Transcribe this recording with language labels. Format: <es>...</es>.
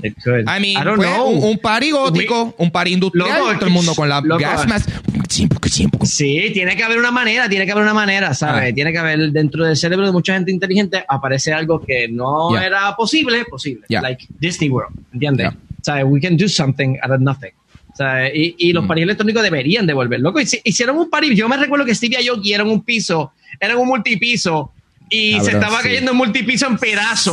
<en>I mean, I don't know.</en> <es>Un party gótico, un party industrial, todo el mundo con la gas mask. Sí, tiene que haber una manera, ¿sabes? Tiene que haber, dentro del cerebro de mucha gente inteligente, aparece algo que no era posible.</es> <en>Yeah. Like Disney World,</en> <es>¿entiendes?</es> <en>Yeah.</en> <es>O sea,</es> <en>we can do something out of nothing.</en> <es>O sea, y los parties electrónicos deberían devolver. Loco, hicieron un party. Yo me recuerdo que Steve y yo dieron un piso, eran un multipiso. Y cabrón, se estaba cayendo un multipiso en pedazos.</es>